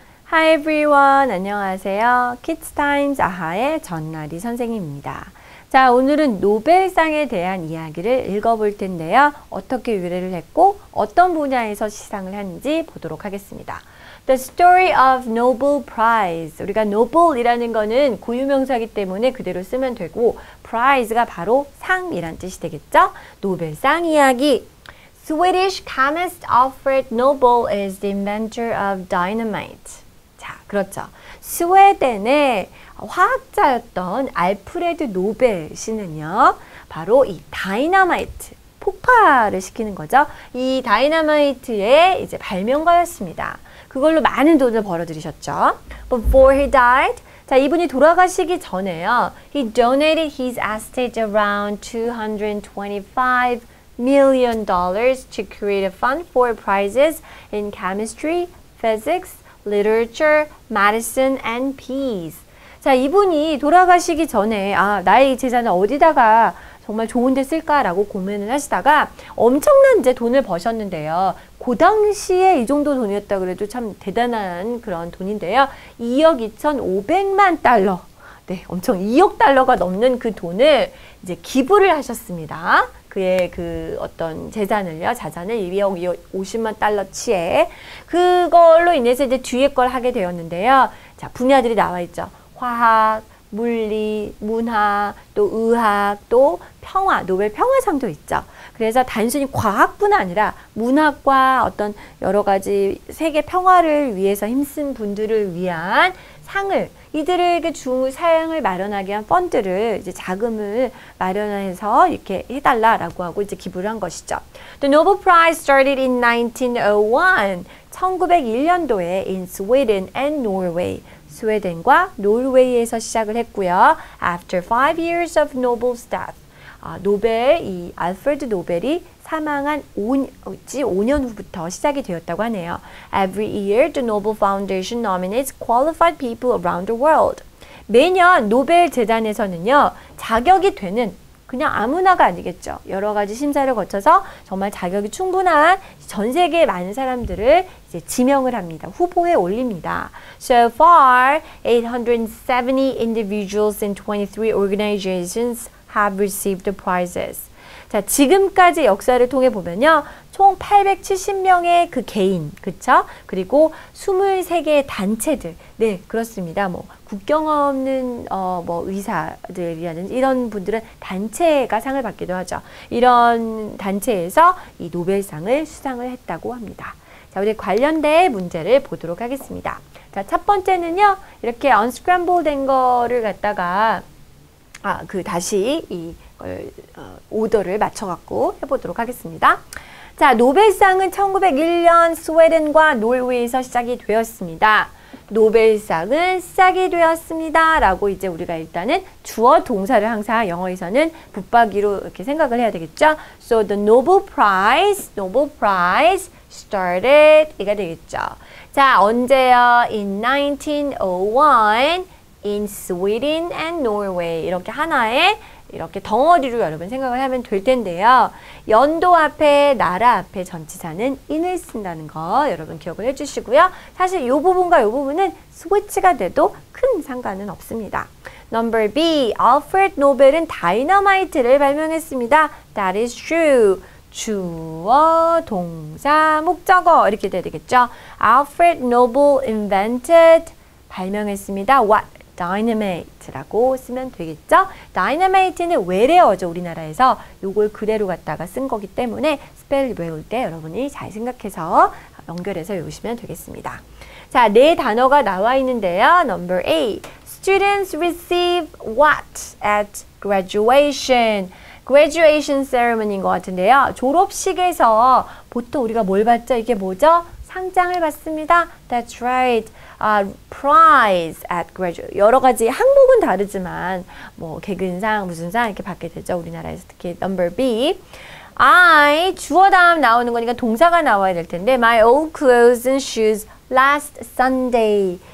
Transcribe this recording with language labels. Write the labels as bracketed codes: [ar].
[en] Hi everyone, [ko] 안녕하세요. Kids Times 아하의 전나리 선생님입니다. 자, 오늘은 노벨상에 대한 이야기를 읽어볼 텐데요. 어떻게 유래를 했고 어떤 분야에서 시상을 하는지 보도록 하겠습니다. [en] The story of Nobel Prize. [ko] 우리가 Nobel이라는 거는 고유명사이기 때문에 그대로 쓰면 되고, Prize가 바로 상이란 뜻이 되겠죠? 노벨상 이야기. [en] Swedish chemist Alfred Nobel is the inventor of dynamite. [ko] 그렇죠. 스웨덴의 화학자였던 알프레드 노벨 씨는요, 바로 이 다이너마이트, 폭발을 시키는 거죠. 이 다이너마이트의 이제 발명가였습니다. 그걸로 많은 돈을 벌어들이셨죠. [en] Before he died, [ko] 자, 이분이 돌아가시기 전에요, [en] he donated his estate around 225 million dollars to create a fund for prizes in chemistry, physics, Literature, Medicine, and Peace. [ko] 자, 이분이 돌아가시기 전에, 아, 나의 재산을 어디다가 정말 좋은 데 쓸까라고 고민을 하시다가 엄청난 이제 돈을 버셨는데요. 그 당시에 이 정도 돈이었다 그래도 참 대단한 그런 돈인데요. 2억 2,500만 달러. 네, 엄청 2억 달러가 넘는 그 돈을 이제 기부를 하셨습니다. 그의 그 어떤 재산을요, 자산을 2억 50만 달러치에 그걸로 인해서 이제 뒤에 걸 하게 되었는데요. 자, 분야들이 나와 있죠. 화학, 물리, 문화, 또 의학, 또 평화, 노벨 평화상도 있죠. 그래서 단순히 과학뿐 아니라 문학과 어떤 여러 가지 세계 평화를 위해서 힘쓴 분들을 위한 상을 이들에게 주 사양을 마련하기 위한 펀드를 이제 자금을 마련해서 이렇게 해달라라고 하고 이제 기부를 한 것이죠. [en] The Nobel Prize started in 1901, [ko] 1901년도에 [en] in Sweden and Norway, [ko] 스웨덴과 노르웨이에서 시작을 했고요. [en] After 5 years of Nobel's death, [ko] 노벨 이 알프레드 노벨이 사망한 5년 후부터 시작이 되었다고 하네요. [en] Every year, the Nobel Foundation nominates qualified people around the world. [ko] 매년 노벨 재단에서는요, 자격이 되는, 그냥 아무나가 아니겠죠. 여러 가지 심사를 거쳐서 정말 자격이 충분한 전 세계 많은 사람들을 이제 지명을 합니다. 후보에 올립니다. [en] So far, 870 individuals and 23 organizations have received the prizes. [ko] 자, 지금까지 역사를 통해 보면요. 총 870명의 그 개인, 그쵸? 그리고 23개의 단체들. 네, 그렇습니다. 뭐, 국경 없는, 뭐, 의사들이라든지 이런 분들은 단체가 상을 받기도 하죠. 이런 단체에서 이 노벨상을 수상을 했다고 합니다. 자, 우리 관련된 문제를 보도록 하겠습니다. 자, 첫 번째는요. 이렇게 unscramble 된 거를 갖다가, 다시 이, 오더를 맞춰갖고 해보도록 하겠습니다. 자, 노벨상은 1901년 스웨덴과 노르웨이에서 시작이 되었습니다. 노벨상은 시작이 되었습니다라고 이제 우리가 일단은 주어 동사를 항상 영어에서는 붙박이로 이렇게 생각을 해야 되겠죠. [en] So the Nobel Prize started [ko] 이가 되겠죠. 자, 언제요? [en] In 1901 in Sweden and Norway [ko] 이렇게 하나의 이렇게 덩어리로 여러분 생각을 하면 될 텐데요. 연도 앞에, 나라 앞에 전치사는 in을 쓴다는 거 여러분 기억을 해주시고요. 사실 이 부분과 이 부분은 스위치가 돼도 큰 상관은 없습니다. Number B, Alfred Nobel은 다이너마이트를 발명했습니다. [en] That is true. [ko] 주어, 동사, 목적어 이렇게 돼야 되겠죠. [en] Alfred Nobel invented, [ko] 발명했습니다. [en] What? [ko] Dynamite라고 쓰면 되겠죠? Dynamite는 외래어죠, 우리나라에서. 요걸 그대로 갖다가 쓴 거기 때문에 스펠 외울 때 여러분이 잘 생각해서 연결해서 외우시면 되겠습니다. 자, 네 단어가 나와 있는데요. [en] Number A. Students receive what at graduation? [ko] Graduation ceremony인 것 같은데요. 졸업식에서 보통 우리가 뭘 받죠? 이게 뭐죠? 상장을 받습니다. [en] That's right. Prize at graduation. [ko] 여러 가지 항목은 다르지만, 뭐, 개근상, 무슨 상 이렇게 받게 되죠. 우리나라에서 특히 number B. I, 주어 다음 나오는 거니까 동사가 나와야 될 텐데, [en] my old clothes and shoes last Sunday.